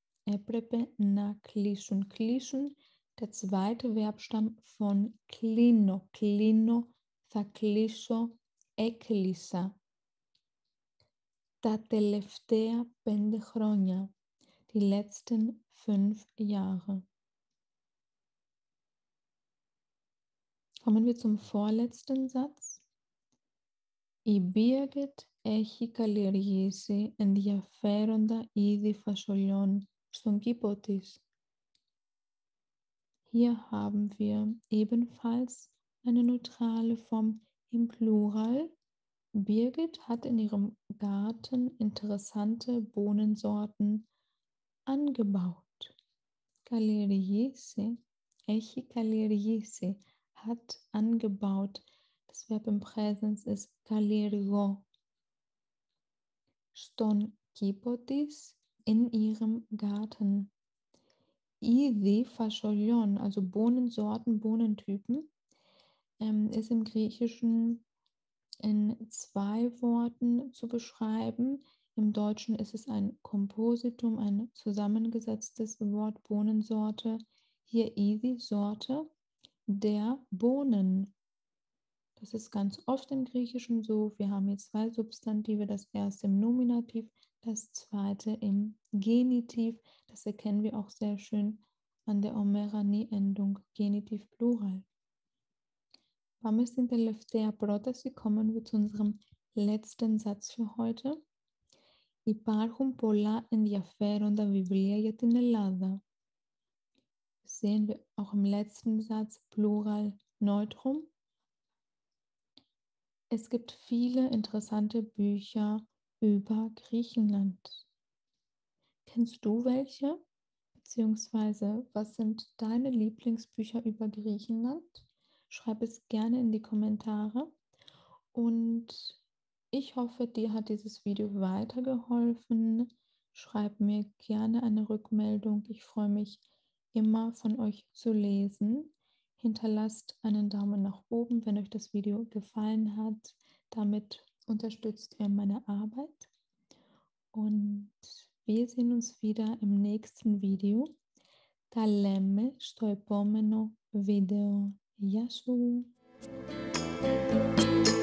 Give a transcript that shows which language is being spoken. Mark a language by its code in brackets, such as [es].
[el] Έπρεπε να κλείσουν. [de] Κλείσουν, der zweite Verbstamm von κλείνω. [el] Κλείνω, θα κλείσω, έκλεισα. Τα τελευταία 5 χρόνια. [de] Die letzten 5 Jahre. Kommen wir zum vorletzten Satz. [el] Η Birgit έχει καλλιεργήσει ενδιαφέροντα είδη φασολιών στον κήπο της. [de] Hier haben wir ebenfalls eine neutrale Form im Plural. Birgit hat in ihrem Garten interessante Bohnensorten angebaut. [el] Καλλιεργήσει, έχει καλλιεργήσει. [de] Hat angebaut. Das Verb im Präsens ist καλλιεργώ. [el] Στον κήπο της, [de] in ihrem Garten. [el] Ήδη φασολιών, [de] also Bohnensorten, Bohnentypen, ist im Griechischen in 2 Worten zu beschreiben. Im Deutschen ist es ein Kompositum, ein zusammengesetztes Wort, Bohnensorte. Hier ήδη, Sorte. Der Bohnen. Das ist ganz oft im Griechischen so. Wir haben hier 2 Substantive, das erste im Nominativ, das zweite im Genitiv. Das erkennen wir auch sehr schön an der Omera-Ni-Endung, Genitiv Plural. [el] Vamos sin telefthea protasi, [de] kommen wir zu unserem letzten Satz für heute. [el] Υπάρχουν πολλά ενδιαφέροντα βιβλία για την Ελλάδα. [de] Sehen wir auch im letzten Satz Plural Neutrum. Es gibt viele interessante Bücher über Griechenland. Kennst du welche? Beziehungsweise, was sind deine Lieblingsbücher über Griechenland? Schreib es gerne in die Kommentare. Und ich hoffe, dir hat dieses Video weitergeholfen. Schreib mir gerne eine Rückmeldung. Ich freue mich immer von euch zu lesen. Hinterlasst einen Daumen nach oben, wenn euch das Video gefallen hat. Damit unterstützt ihr meine Arbeit. Und wir sehen uns wieder im nächsten Video. [el] Τα λέμε στο επόμενο βίντεο. Γεια σου!